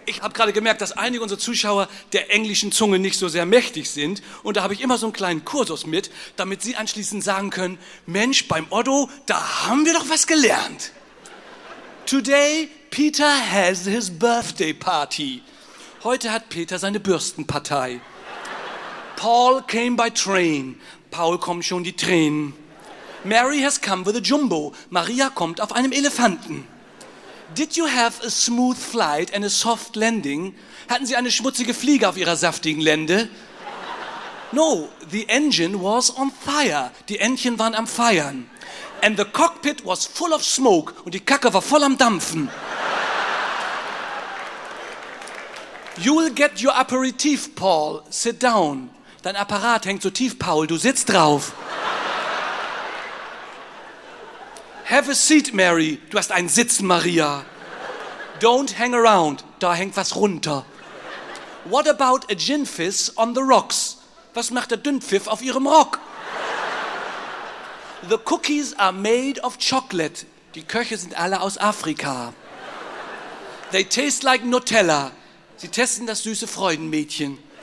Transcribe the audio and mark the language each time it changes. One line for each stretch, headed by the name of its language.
German: ich habe gerade gemerkt, dass einige unserer Zuschauer der englischen Zunge nicht so sehr mächtig sind. Und da habe ich immer so einen kleinen Kursus mit, damit sie anschließend sagen können, Mensch, beim Otto, da haben wir doch was gelernt.
English: Today, Peter has his birthday party.
German: Heute hat Peter seine Bürstenpartei.
English: Paul came by train.
German: Paul kommen schon die Tränen.
English: Mary has come with a jumbo.
German: Maria kommt auf einem Elefanten.
English: Did you have a smooth flight and a soft landing?
German: Hatten Sie eine schmutzige Fliege auf Ihrer saftigen Lende?
English: No, the engine was on fire.
German: Die Entchen waren am Feiern.
English: And the cockpit was full of smoke.
German: Und die Kacke war voll am Dampfen.
English: You'll get your aperitif, Paul. Sit down.
German: Dein Apparat hängt so tief, Paul. Du sitzt drauf.
English: Have a seat, Mary.
German: Du hast einen Sitzen, Maria.
English: Don't hang around.
German: Da hängt was runter.
English: What about a ginfiss on the rocks?
German: Was macht der Dünnpfiff auf ihrem Rock?
English: The cookies are made of chocolate.
German: Die Köche sind alle aus Afrika.
English: They taste like Nutella.
German: Sie testen das süße Freudenmädchen.